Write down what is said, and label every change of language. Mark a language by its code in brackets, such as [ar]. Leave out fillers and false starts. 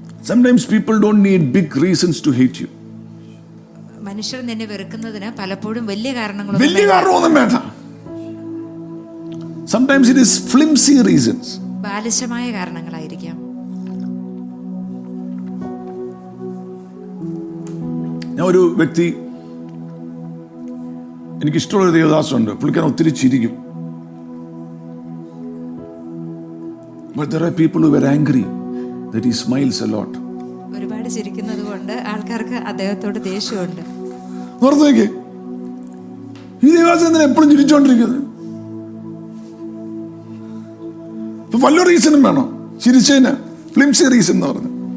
[en] Sometimes people don't need big reasons to hate you. [ml] മനുഷ്യർ നിന്നെ വെറുക്കുന്നതിന് പലപ്പോഴും വലിയ കാരണങ്ങളൊന്നും വലിയ കാരണമൊന്നും വേണ്ട. [en] Sometimes it is flimsy reasons. [ml] ബാലിശമായ കാരണങ്ങളായിരിക്കാം. ഒരു വ്യക്തി, എനിക്ക് ഇഷ്ടമുള്ള ദേവദാസുണ്ട്, പുള്ളിക്കാരൻ ഒത്തിരി ചിരിക്കും. [en] But there are people who were angry that he smiles a lot. [ml] ഒരുപാട് ചിരിക്കുന്നത് കൊണ്ട് ആൾക്കാർക്ക് അദ്ദേഹത്തോട് ദേഷ്യമുണ്ട്. നോർത്ത് നോക്കി, ഈ ദേവദാസ് എന്തിനാ എപ്പോഴും ചിരിച്ചോണ്ടിരിക്കുന്നത്? വല്ലൊരു റീസണും വേണോ ചിരിച്ചതിന്? ഫ്ലിംസി റീസൺ എന്ന് പറഞ്ഞു.